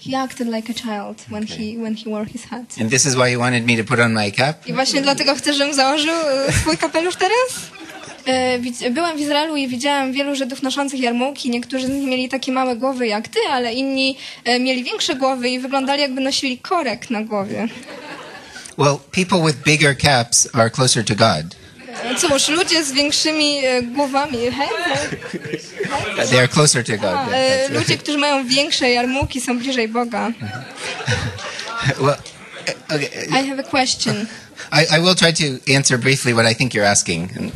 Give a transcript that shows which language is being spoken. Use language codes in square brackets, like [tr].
[en] He acted like a child when he wore his hat. And this is why you wanted me to put on my cap? [pl] I właśnie dlatego chcę, żebym założył swój kapelusz teraz. Byłem w Izraelu i widziałem wielu Żydów noszących jarmułki. Niektórzy z nich mieli takie małe głowy jak ty, ale inni mieli większe głowy i wyglądali, jakby nosili korek na głowie. [en] Well, people with bigger caps are closer to God. [pl] Cóż, ludzie z większymi głowami, [en] they are closer to God. Yeah, [pl] ludzie, którzy mają większe jarmułki, są bliżej Boga. [en] Well, okay. I have a question. I will try to answer briefly what I think you're asking.